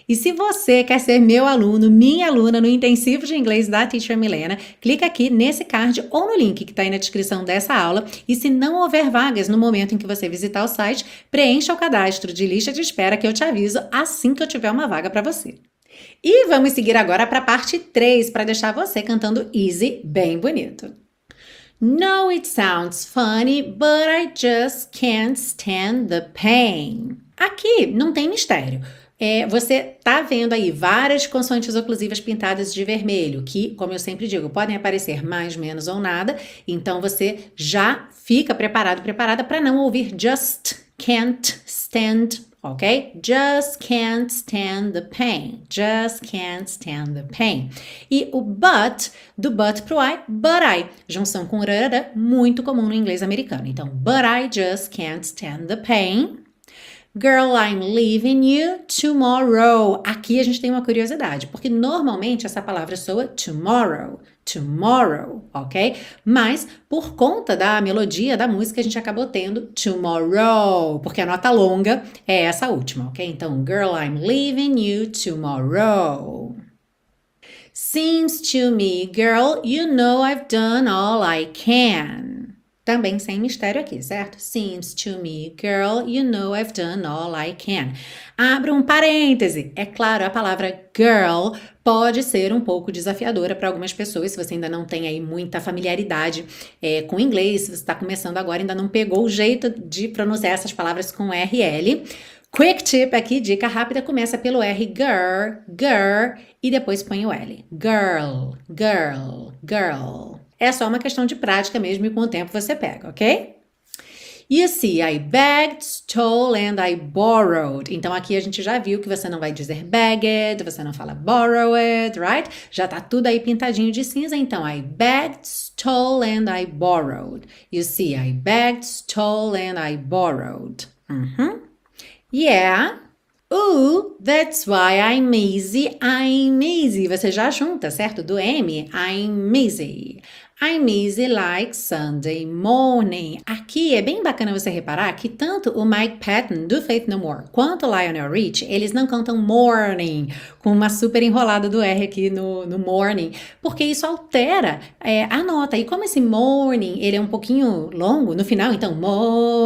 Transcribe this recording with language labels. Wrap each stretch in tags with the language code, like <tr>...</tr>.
<pt>E se você quer ser meu aluno, minha aluna no intensivo de inglês da Teacher Milena, clica aqui nesse card ou no link que está aí na descrição dessa aula. E se não houver vagas no momento em que você visitar o site, preencha o cadastro de lista de espera que eu te aviso assim que eu tiver uma vaga para você. E vamos seguir agora para a parte 3, para deixar você cantando Easy bem bonito.</pt> <en>No, it sounds funny, but I just can't stand the pain.</en> <pt>Aqui não tem mistério. É, você tá vendo aí várias consoantes oclusivas pintadas de vermelho, que, como eu sempre digo, podem aparecer mais, menos ou nada. Então você já fica preparado, preparada para não ouvir</pt> <en>just can't stand,</en> <pt>ok?</pt> <en>Just can't stand the pain. Just can't stand the pain.</en> <pt>E o but, do but pro I,</pt> <en>but I.</en> <pt>Junção com rarara, muito comum no inglês americano. Então,</pt> <en>but I just can't stand the pain. Girl, I'm leaving you tomorrow.</en> <pt>Aqui a gente tem uma curiosidade, porque normalmente essa palavra soa tomorrow, tomorrow, ok? Mas por conta da melodia da música, a gente acabou tendo tomorrow, porque a nota longa é essa última, ok? Então,</pt> <en>girl, I'm leaving you tomorrow. Seems to me, girl, you know I've done all I can.</en> <pt>Também sem mistério aqui, certo?</pt> <en>Seems to me, girl, you know I've done all I can.</en> <pt>Abro um parêntese. É claro, a palavra girl pode ser um pouco desafiadora para algumas pessoas, se você ainda não tem aí muita familiaridade com inglês, se você está começando agora, ainda não pegou o jeito de pronunciar essas palavras com RL.</pt> <en>Quick tip</en> <pt>aqui, dica rápida, começa pelo R, girl, girl, e depois põe o L. Girl, girl, girl. É só uma questão de prática mesmo e com o tempo você pega, ok?</pt> <en>You see, I begged, stole and I borrowed.</en> <pt>Então aqui a gente já viu que você não vai dizer begged, você não fala borrowed, right? Já tá tudo aí pintadinho de cinza. Então,</pt> <en>I begged, stole and I borrowed. You see, I begged, stole and I borrowed. Yeah. Ooh, that's why I'm easy. I'm easy.</en> <pt>Você já junta, certo? Do M, I'm easy.</pt> <en>I'm easy like Sunday morning.</en> <pt>Aqui é bem bacana você reparar que tanto o Mike Patton do Faith No More quanto o Lionel Richie, eles não cantam morning com uma super enrolada do R aqui no morning, porque isso altera a nota. E como esse morning ele é um pouquinho longo no final, então morning.</pt>